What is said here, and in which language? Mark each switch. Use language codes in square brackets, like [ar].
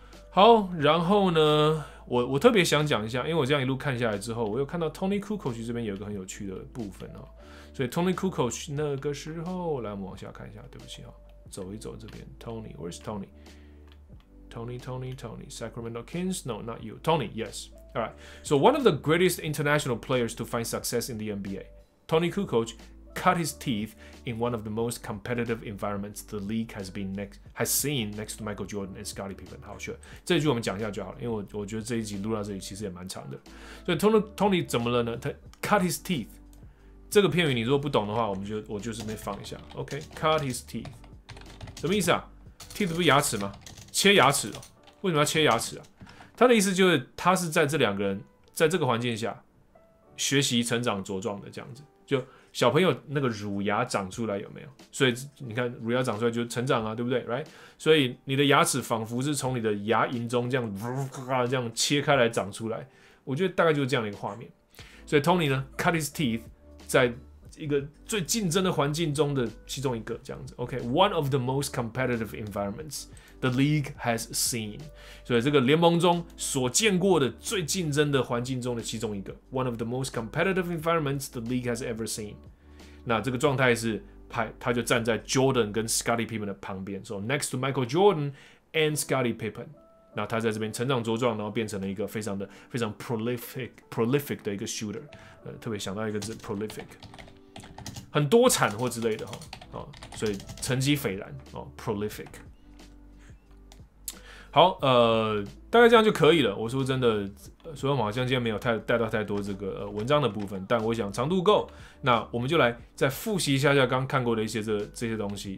[zh] 好，然后呢，我特别想讲一下，因为我这样一路看下来之后，我有看到 Tony Kukoc 这边有一个很有趣的部分哦。所以 Tony Kukoc 那个时候，来我们往下看一下，对不起哦，走一走这边 ，Tony， [en] Where's Tony？ [zh] Tony，Tony，Tony，Sacramento Kings， [en] No，not you，Tony，Yes。 All right. So one of the greatest international players to find success in the NBA, Tony Kukoc, cut his teeth in one of the most competitive environments the league has seen, next to Michael Jordan and Scottie Pippen. [zh] 好，sure. 这句我们讲一下就好了，因为我觉得这一集录到这里其实也蛮长的。所以 Tony 怎么了呢？他 [en] cut his teeth. [zh] 这个片语你如果不懂的话，我就顺便放一下。 [en] OK, cut his teeth. [zh] 什么意思啊 ？Teeth 不是牙齿吗？切牙齿哦？为什么要切牙齿啊？他的意思就是，他是在这两个人在这个环境下学习、成长、茁壮的这样子。就小朋友那个乳牙长出来有没有？所以你看，乳牙长出来就成长啊，对不对 ？Right？所以你的牙齿仿佛是从你的牙龈中这样这样切开来长出来。我觉得大概就是这样的一个画面。所以 Tony 呢 ， [en] cut his teeth， [zh] 在一个最竞争的环境中的其中一个这样子。 [en] OK，one of the most competitive environments。 The league has seen， [zh] 所以这个联盟中所见过的最竞争的环境中的其中一个 [en] ，one of the most competitive environments the league has ever seen。 [zh] 那这个状态是他就站在 Jordan 跟 Scottie Pippen 的旁边 ， [en] so next to Michael Jordan and Scottie Pippen。 [zh] 那他在这边成长茁壮，然后变成了一个非常 prolific 的一个 shooter。特别想到一个字 prolific， 很多产或之类的哈，所以成绩斐然哦 ，prolific。好，大概这样就可以了。我说真的，所以我好像今天没有带到太多这个文章的部分，但我想长度够，那我们就来再复习一下下刚看过的一些这些东西。